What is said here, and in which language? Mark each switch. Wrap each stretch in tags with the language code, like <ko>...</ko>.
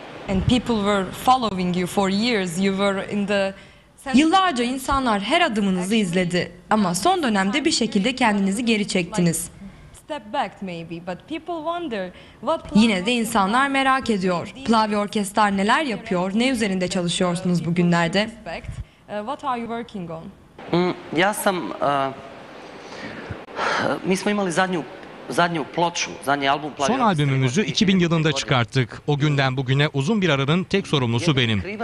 <en>And people were following you for years. You were in the.</en> <tr>Yıllarca insanlar her adımınızı izledi, ama son dönemde bir şekilde kendinizi geri çektiniz.</tr> <en>Step back maybe, but people wonder what.</en> <tr>Yine de insanlar merak ediyor. Plavi Orkestra neler yapıyor, ne üzerinde çalışıyorsunuz bugünlerde?</tr> <en>What are you working on?</en> <bs>Yasam, mi smo imali zadnju.</bs> <tr>Son albümümüzü 2000 yılında çıkarttık. O günden bugüne uzun bir aranın tek sorumlusu benim.</tr>